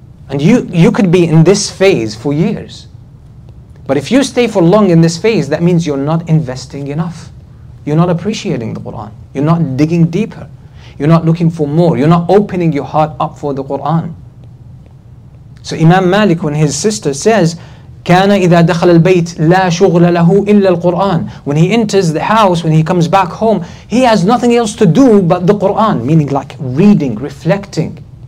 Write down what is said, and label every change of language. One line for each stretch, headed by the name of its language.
English: And you could be in this phase for years. But if you stay for long in this phase, that means you're not investing enough. You're not appreciating the Quran. You're not digging deeper. You're not looking for more. You're not opening your heart up for the Quran. So Imam Malik, when his sister says,
Arabic: كَانَ إِذَا دَخَلَ الْبَيْتِ لَا شُغْلَ لَهُ إِلَّا الْقُرْآنِ.
English: When he enters the house, when he comes back home, he has nothing else to do but the Quran. Meaning like reading, reflecting.